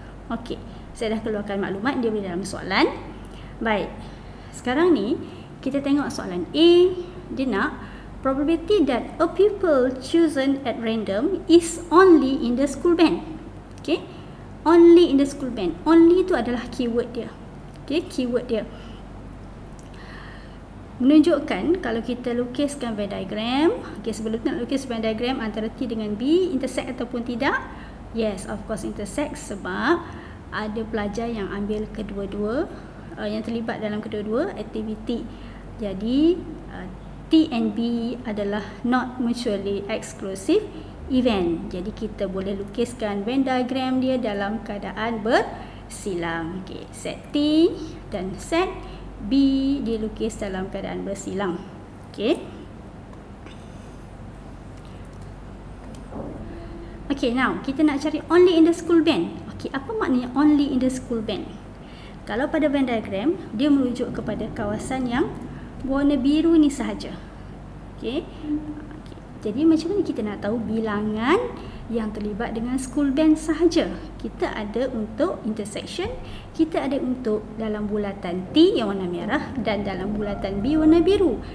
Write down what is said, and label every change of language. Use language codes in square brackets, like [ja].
[ms] Okay, saya dah keluarkan maklumat, dia boleh dalam soalan. Baik, sekarang ni kita tengok soalan A. Dia nak [en] probability that a pupil chosen at random is only in the school band. Okay, only in the school band. [ms] Only tu adalah keyword dia. Okay, keyword dia menunjukkan kalau kita lukiskan Venn diagram. Okay, sebelum nak lukis Venn diagram antara T dengan B, intersect ataupun tidak? [en] Yes, of course [ms] intersect sebab ada pelajar yang ambil kedua-dua, yang terlibat dalam kedua-dua aktiviti. Jadi T and B adalah not mutually exclusive event. Jadi kita boleh lukiskan Venn diagram dia dalam keadaan bersilang. Okay, set T dan set B dilukis dalam keadaan bersilang. Okay. [en] Okay, now [ms] kita nak cari [en] only in the school band. Okay, [ms] apa maknanya [en] only in the school band? [ms] Kalau pada Venn diagram, dia merujuk kepada kawasan yang warna biru ni sahaja. Okay. Okay. Jadi macam mana kita nak tahu bilangan yang terlibat dengan school band sahaja? Kita ada untuk intersection, kita ada untuk dalam bulatan T yang warna merah dan dalam bulatan B warna biru.